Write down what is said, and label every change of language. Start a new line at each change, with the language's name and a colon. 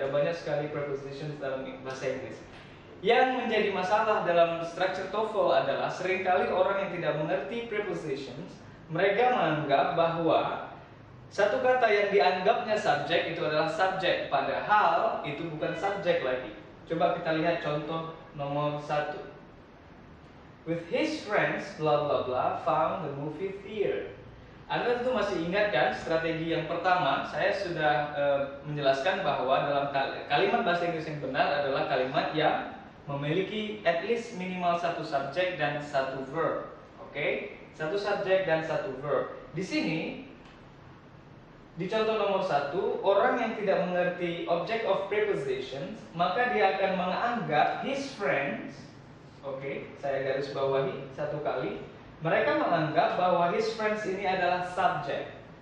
Indonesian: Ada banyak sekali prepositions dalam bahasa Inggris. Yang menjadi masalah dalam structure TOEFL adalah seringkali orang yang tidak mengerti prepositions, mereka menganggap bahwa satu kata yang dianggapnya subjek itu adalah subjek, padahal itu bukan subjek lagi. Coba kita lihat contoh nomor 1.
English: With his friends, blah blah blah, found the movie theater.
Indonesian: Anda tentu masih ingat kan strategi yang pertama, saya sudah menjelaskan bahwa dalam kalimat bahasa Inggris yang benar adalah kalimat yang memiliki
English: at least
Indonesian: minimal satu subjek dan satu verb. Oke? Okay? Satu subjek dan satu verb. Di sini, di contoh nomor 1, orang yang tidak mengerti object of prepositions, maka dia akan menganggap his friends, okay, saya garis bawahi satu kali, mereka menganggap bahwa his friends ini adalah subject.